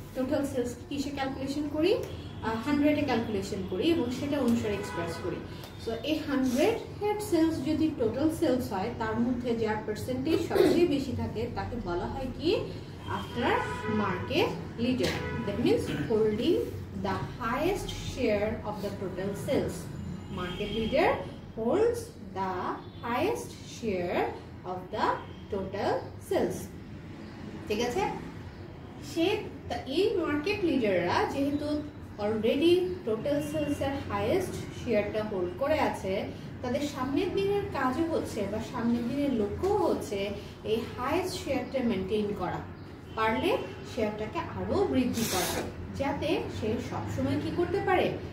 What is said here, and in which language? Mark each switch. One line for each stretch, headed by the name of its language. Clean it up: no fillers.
Bangla: Total sales কিসে calculation করি? হান্ড্রেডে ক্যালকুলেশন করি এবং সেটা অনুসারে এক্সপ্রেস করি। সো এই হান্ড্রেড হেড সেলস যদি টোটাল সেলস হয়, তার মধ্যে যার পার্সেন্টেজ সবচেয়ে বেশি থাকে তাকে বলা হয় কি, after market leader,
English: That means holding the highest share of the total sales. Market leader holds the highest share of the total sales.
Bangla: ঠিক আছে? সে এই মার্কেট লিডাররা যেহেতু অলরেডি টোটাল সেলসের হাইয়েস্ট শেয়ারটা হোল্ড করে আছে, তাদের সামনের দিনের কাজও হচ্ছে বা সামনের দিনের লক্ষ্যও হচ্ছে এই হাইয়েস্ট শেয়ারটা মেনটেন করা, পারলে শেয়ারটাকে আরও বৃদ্ধি করা, যাতে সে সবসময় কী করতে পারে,